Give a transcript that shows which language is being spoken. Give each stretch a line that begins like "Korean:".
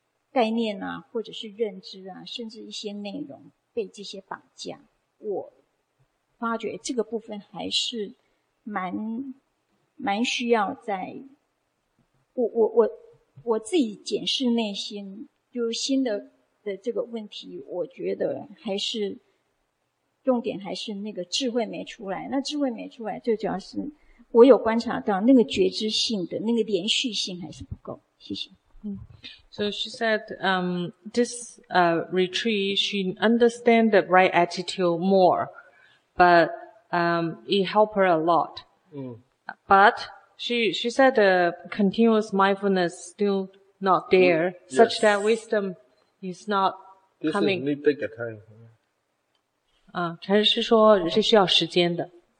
Chinese: 概念啊或者是认知啊，甚至一些内容被这些绑架，我发觉这个部分还是蛮需要在我自己检视内心，就心的这个问题，我觉得还是重点还是那个智慧没出来。那智慧没出来最主要是我有观察到那个觉知性的那个连续性还是不够。谢谢。
English: So she said, this, retreat, she understand the right attitude more, but, it helped her a lot. But she said the continuous mindfulness still not there, such that wisdom is not coming. This is need take a time.
Chinese: 啊，禅师说是需要时间的。